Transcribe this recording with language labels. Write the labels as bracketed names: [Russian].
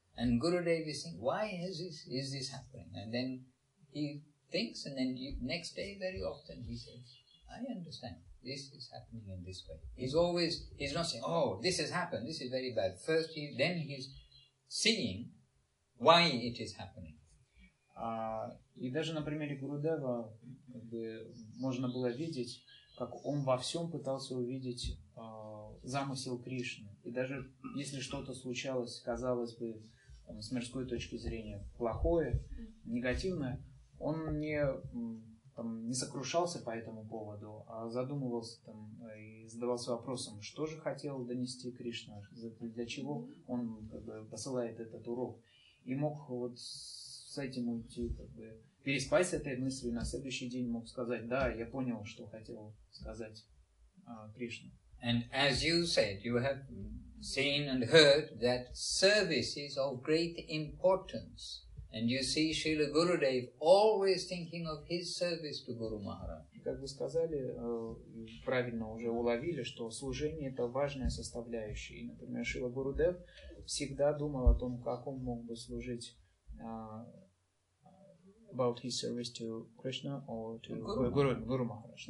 [English] And Gurudev is saying, why is this happening? And then he thinks, and then next day very often he says, I understand. This is happening in this way. He's not saying, oh, this has happened. This is very bad. First, then he's seeing why it is happening. [Russian] И даже на примере Гурудева можно было видеть, как он во всем пытался увидеть замысел Кришны. И даже если что-то случалось, казалось бы, с мирской точки зрения, плохое, негативное, он не сокрушался по этому поводу, а задумывался и задавался вопросом, что же хотел донести Кришна, для чего он посылает этот урок. И мог вот с этим уйти, переспать с этой мыслью, на следующий день мог сказать, да, я понял, что хотел сказать Кришна. [English] And as you said, you have seen and heard that service is of great importance. And you see Srila Gurudev always thinking of his service to Guru Maharaj. [Russian] Как вы сказали, правильно уже уловили, что служение это важная составляющая. И, например, Шрила Гурудев всегда думал о том, как он мог бы служить [English] about his service to Krishna or to Guru Maharaj.